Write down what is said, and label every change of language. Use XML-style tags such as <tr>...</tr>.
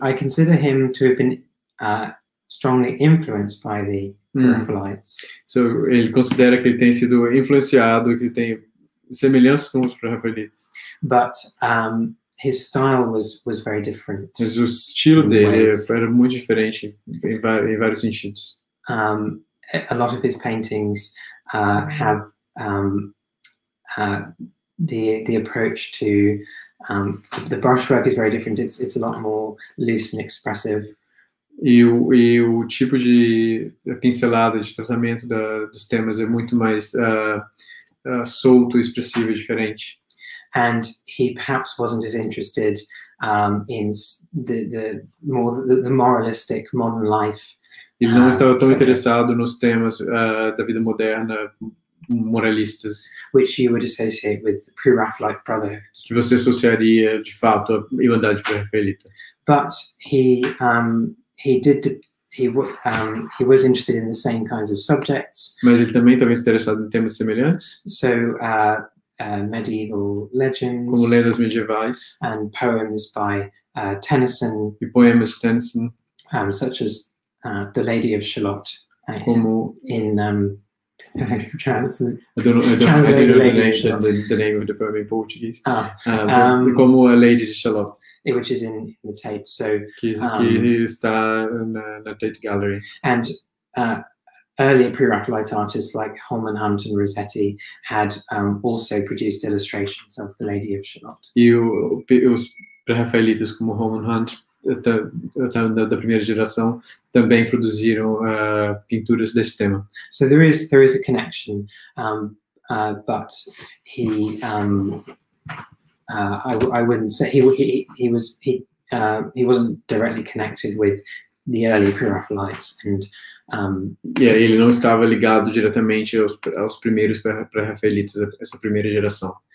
<en>I consider him to have been strongly influenced by the Pre-Raphaelites.</en> <pt>So ele considera que ele tem sido influenciado, que tem semelhanças com os Pre-Raphaelites.</pt> <en>But his style was very different.</en> <pt>Mas o estilo dele era muito diferente em vários sentidos.</pt> <en>A lot of his paintings have the approach to the brushwork is very different. It's a lot more loose and expressive.</en> <pt>E o tipo de pincelada, de tratamento dos temas é muito mais solto, expressivo e diferente.</pt> <en>And he perhaps wasn't as interested in the moralistic modern life.</en> <pt>Ele não estava tão interessado nos temas da vida moderna, moralistas.</pt> <en>Which you would associate with the Pre-Raphaelite Brotherhood.</en> <pt>Que você associaria, de fato, à Irmandade Pre-Raphaelita.</pt> <en>But he did he was interested in the same kinds of subjects.</en> <pt>Mas ele também estava interessado em temas semelhantes.</pt> <en>So, medieval legends.</en> <pt>Como lendas medievais.</pt> <en>And poems by Tennyson.</en> <pt>E poemas de Tennyson.</pt> <en>Such as The Lady of Shalott.</en> <pt>Como</pt> <en>in I don't know the name of the poem in Portuguese.</en> <pt>Como a Lady de Shalott.</pt> <en>Which is in the Tate, so</en> <pt>que está na Tate Gallery.</pt> <en>And earlier Pre-Raphaelite artists like Holman Hunt and Rossetti had also produced illustrations of the Lady of Shalott.</en> <pt>E os Pre-Raphaelites como Holman Hunt da primeira geração também produziram pinturas desse tema.</pt> <en>So there is a connection, but he. I wouldn't say he wasn't directly connected with the early Pre-Raphaelites and</en> <pt>yeah, ele não estava ligado diretamente aos primeiros Pre-Raphaelites, essa primeira geração.</pt>